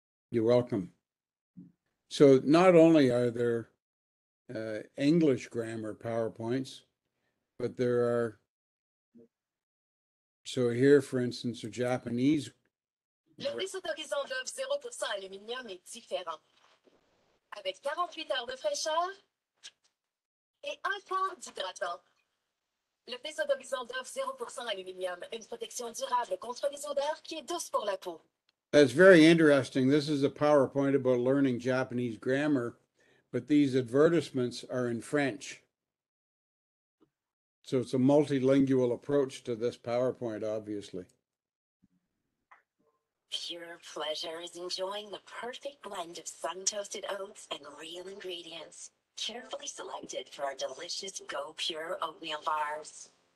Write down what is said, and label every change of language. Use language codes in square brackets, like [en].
[en] You're welcome. So not only are there English grammar PowerPoints, but there are, so here, for instance, are Japanese [fr] Le réseau d'horizon d'offre 0% aluminium est différent. Avec 48 heures de fraîcheur et un quart d'hydratant. Le réseau d'horizon d'offre 0% aluminium, une protection durable contre les odeurs qui est douce pour la peau. [en] That's very interesting. This is a PowerPoint about learning Japanese grammar, but these advertisements are in French. So it's a multilingual approach to this PowerPoint, obviously. Pure pleasure is enjoying the perfect blend of sun-toasted oats and real ingredients, carefully selected for our delicious Go Pure oatmeal bars.